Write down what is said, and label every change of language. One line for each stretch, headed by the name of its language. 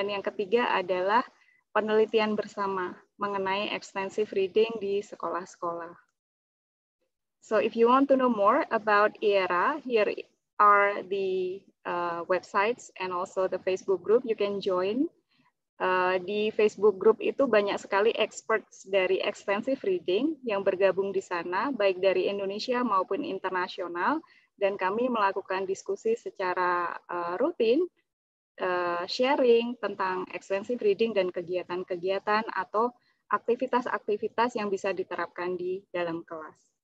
Indonesian: Dan yang ketiga adalah penelitian bersama mengenai extensive reading di sekolah-sekolah.
English: So if you want to know more about IERA, here are the websites and also the Facebook group you can join.
Indonesian: Di Facebook group itu banyak sekali experts dari extensive reading yang bergabung di sana, baik dari Indonesia maupun internasional, dan kami melakukan diskusi secara rutin, sharing tentang extensive reading dan kegiatan-kegiatan atau aktivitas-aktivitas yang bisa diterapkan di dalam kelas.